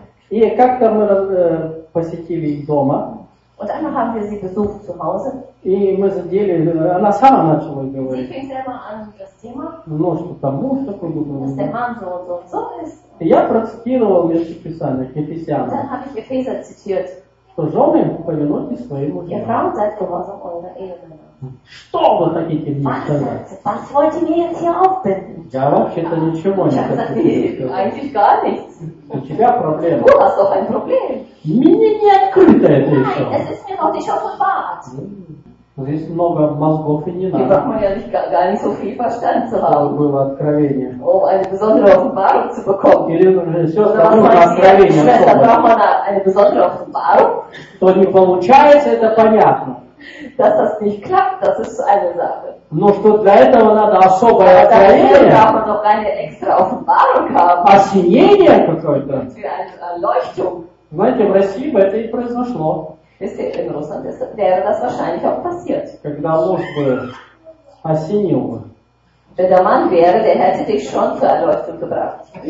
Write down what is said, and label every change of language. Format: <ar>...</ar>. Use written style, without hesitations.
<ru>И как-то мы посетили их дома.</ru> <de>Und einmal haben wir sie besucht zu Hause.</de> <ru>И мы задели, она сама начала говорить.</ru> <de>Sie fängt immer an das Thema.</de> <ru>Ну, что там муж такой был.</ru> <de>Dass der Mann so und so und so ist.</de> <ru>Я процитировал Место Писания, Ефесянам.</ru> <de>Dann habe ich Epheser zitiert.</de> <ru>Что жены повинуйтесь своим мужьям.</ru> <de>Ihr Frauen seid gehorsam eurer Ehemänner.</de> <ru>Что вы хотите мне сказать?</ru> <de>Was wollt ihr mir jetzt hier aufbinden?</de> <ru>Я вообще-то ничего не хочу</ru> <de>Eigentlich gar nichts.</de> <ru>У тебя проблема.</ru> <de>Du hast doch ein Problem.</de> <ru>Мне не открыто это еще.</ru> <de>Nein, es ist mir noch nicht offenbart.</de> <ru>Здесь много мозгов и не надо.</ru> <de>Ich brauche ja nicht gar nicht so viel Verstand zu haben.</de> <ru>Чтобы было откровение.</ru> <de>Um eine besondere Offenbarung zu bekommen.</de> <ru>Или нужно сестра, нужно откровение.</ru> <de>Schwester, braucht man eine besondere Offenbarung?</de> <ru>Что не получается, это понятно.</ru> <de>Dass das nicht klappt, das ist eine Sache.</de> <ru>Но что для этого надо особое откровение?</ru> <de>Dafür braucht man doch keine extra Offenbarung haben.</de> <ru>Осенение какое-то.</ru> <de>Für eine Erleuchtung.</de> <ru>Знаете, в России бы это и произошло. Если бы в России, то</ru> <de>wäre das wahrscheinlich auch passiert.</de> <ru>Когда муж бы осенил бы.</ru> <de>Wenn der Mann wäre, der hätte dich schon zur Erleuchtung gebracht.</de>